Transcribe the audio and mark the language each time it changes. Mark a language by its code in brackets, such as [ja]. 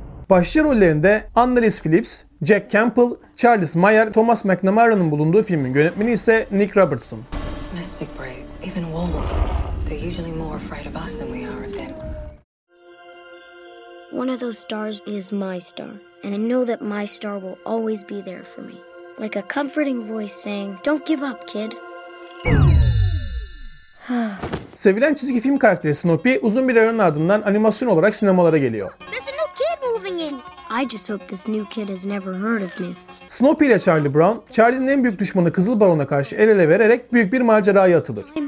[tr] Başrol rollerinde Annalise Phillips, Jack Campbell, Charles Meyer, Thomas McNamara'nın bulunduğu filmin yönetmeni ise Nick Robertson. [en] Domestic breeds, even wolves, they're usually more afraid of us than we are of them. One of those stars is my star, and I know that my star will always be there for me. Like a comforting voice saying, "Don't give up, kid." [tr] Sevilen çizgi film karakteri Snoopy uzun bir aranın ardından animasyon olarak sinemalara geliyor. [en] I just hope this new kid has never heard of me. [tr] Snoopy ile Charlie Brown, Charlie'nin en büyük düşmanı Kızıl Baron'a karşı el ele vererek büyük bir maceraya atılır.